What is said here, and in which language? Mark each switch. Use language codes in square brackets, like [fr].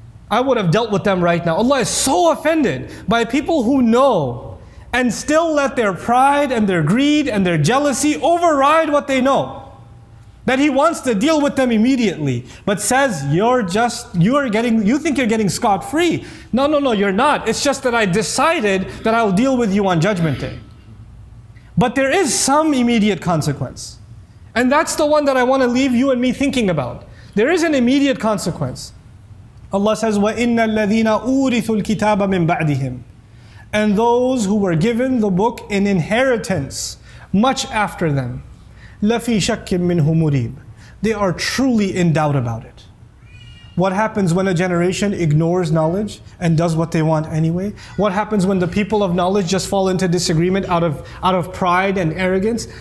[en] I would have dealt with them right now. Allah is so offended by people who know and still let their pride and their greed and their jealousy override what they know, that He wants to deal with them immediately, but says, you think you're getting scot-free. No, no, no, you're not. It's just that I decided that I'll deal with you on Judgment Day. But there is some immediate consequence. And that's the one that I want to leave you and me thinking about. There is an immediate consequence. Allah says, [ar] وَإِنَّ الَّذِينَ أُورِثُوا الْكِتَابَ مِنْ بَعْدِهِمْ. [en] And those who were given the book in inheritance much after them, [ar] لَفِي شَكٍّ مِّنْهُ مُرِيبٍ. [en] They are truly in doubt about it. What happens when a generation ignores knowledge and does what they want anyway? What happens when the people of knowledge just fall into disagreement out of pride and arrogance?